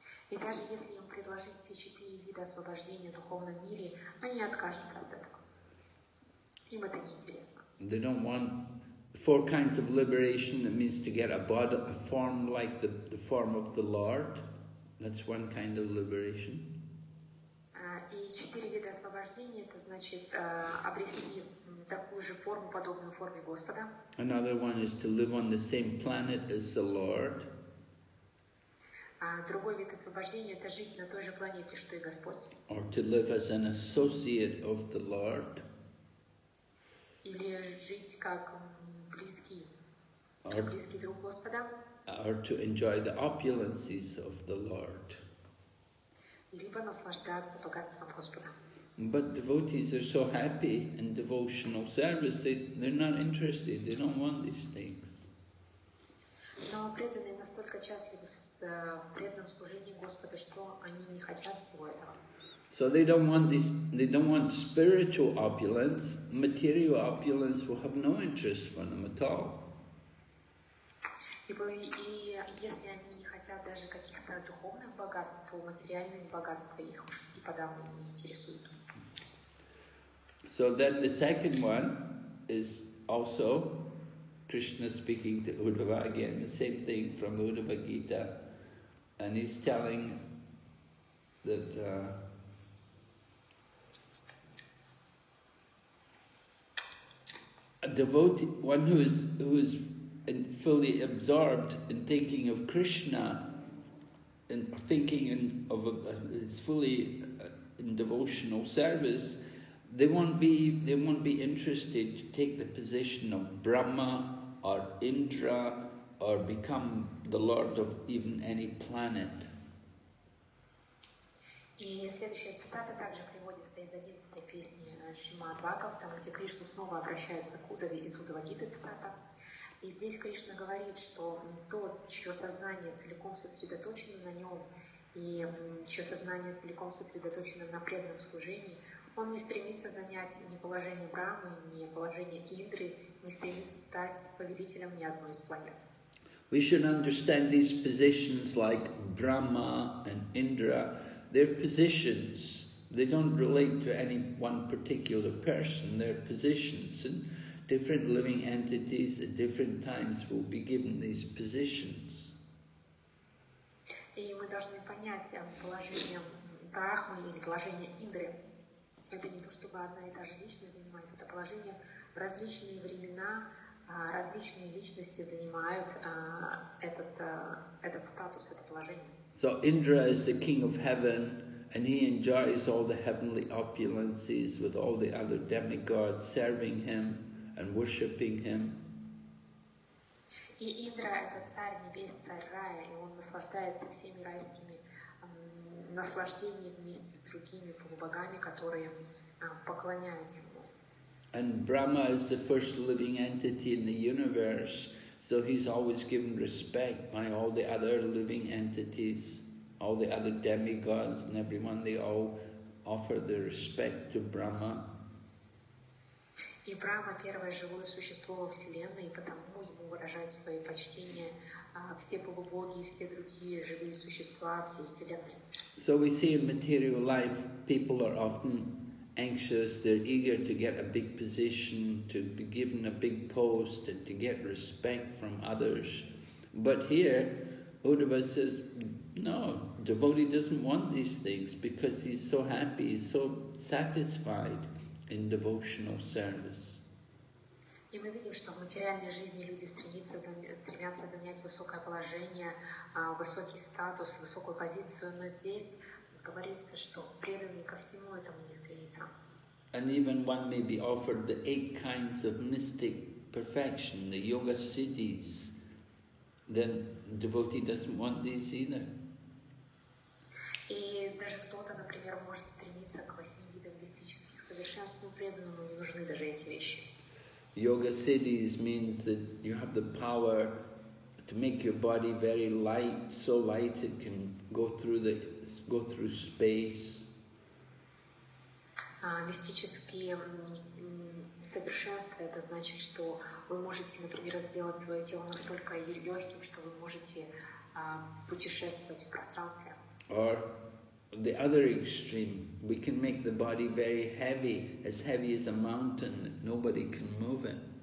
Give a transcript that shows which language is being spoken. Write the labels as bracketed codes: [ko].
[ru] И даже если им предложить все четыре вида освобождения в духовном мире, они откажутся от этого. Им это не интересно. [en] They don't want four kinds of liberation. That means to get a body, a form like the form of the Lord. That's one kind of liberation. [ru] И четыре вида освобождения, это значит обрести такую же форму, подобную форме Господа. [en] Another one is to live on the same planet as the Lord. [ru] Другой вид освобождения, это жить на той же планете, что и Господь. [en] Or to live as an associate of the Lord. [ru] Или жить как близкий друг Господа. [en] Or to enjoy the opulences of the Lord. [ru] Либо наслаждаться богатством Господа. [en] But devotees are so happy in devotional service, they're not interested, they don't want these things. [ru] Но преданные настолько счастливы в преданном служении Господа, что они не хотят всего этого. [en] So they don't want this, they don't want spiritual opulence, material opulence will have no interest for them at all. [ru] И если они не хотят даже каких-то духовных богатств, то материальные богатства их уж и подавно не интересуют. [en] So then the second one is also Krishna speaking to Uddhava again, the same thing from Uddhava Gita, and he's telling that a devotee, one who is and fully absorbed in thinking of Krishna, and thinking in devotional service, they won't be interested to take the position of Brahma or Indra or become the lord of even any planet. [ru] И следующая цитата также приводится из 11-й песни Шримад Бхагаватам, где Кришна снова обращается к Удаве из Удавагиты цитата. И здесь Кришна говорит, что тот, чье сознание целиком сосредоточено на нем, и чье сознание целиком сосредоточено на преданном служении, он не стремится занять ни положение Брахмы, ни положение Индры, не стремится стать повелителем ни одной из планет. [en] We should understand these positions like Brahma and Indra. They're positions. They don't relate to any one particular person. They're positions. And different living entities at different times will be given these positions. [ru] И мы должны понять положение Брахмы или положение Индры. Это не то, чтобы одна и та же личность занимает. Это положение в различные времена. Различные личности занимают этот статус, это положение. [en] So Indra is the king of heaven, and he enjoys all the heavenly opulences with all the other demigods serving him and worshipping him. [ru] И Индра это царь небес, царь рая, и он наслаждается всеми райскими наслаждениями вместе с другими полубогами, которые поклоняются ему. [en] And Brahma is the first living entity in the universe, so he's always given respect by all the other living entities, all the other demigods and everyone, they all offer their respect to Brahma. [ru] И Брахма первое живое существо во Вселенной, и потому ему выражают свои почтения все полубоги и все другие живые существа всей Вселенной. [en] So we see in material life, people are often anxious, they're eager to get a big position, to be given a big post, and to get respect from others. But here, Uddhava says, no, devotee doesn't want these things because he's so happy, he's so satisfied in devotional service. [ru] И мы видим, что в материальной жизни люди стремятся занять высокое положение, высокий статус, высокую позицию, но здесь говорится, что преданный ко всему этому не стремится. [en] And even one may be offered the eight kinds of mystic perfection, the yoga siddhis, then devotee doesn't want these either. [ru] И даже кто-то, например, может стремиться к восьми видам мистических совершенств, но преданному не нужны даже эти вещи. [en] Yoga siddhis means that you have the power to make your body very light, so light it can go through space. [ru] Мистические совершенства, это значит, что вы можете, например, сделать свое тело настолько легким, что вы можете путешествовать в пространстве. [en] Or the other extreme, we can make the body very heavy as a mountain, nobody can move it.